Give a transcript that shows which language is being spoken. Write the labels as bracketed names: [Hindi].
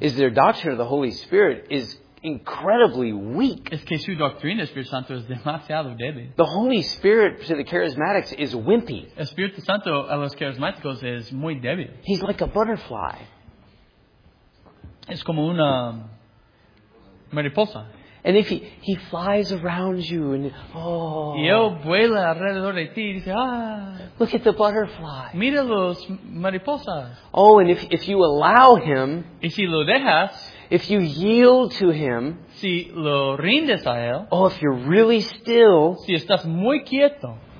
[English] Is their doctrine of the Holy Spirit is incredibly weak. [Spanish] Es que su doctrina del Espíritu Santo es demasiado débil. [English] The Holy Spirit to the charismatics is wimpy. [Spanish] El Espíritu Santo a los carismáticos es muy débil. [English] He's like a butterfly. [Spanish] Es como una mariposa. [English] And if he flies around you and oh. [Spanish] Y él vuela alrededor de ti y dice, ah. [English] Look at the butterfly. [Spanish] Mira los mariposas. [English] Oh, and if you allow him. [Spanish] Y si lo dejas. [English] If you yield to him. [Spanish] Si lo rindes a él. [English] Oh, if you're really still. [Spanish] Si estás muy quieto.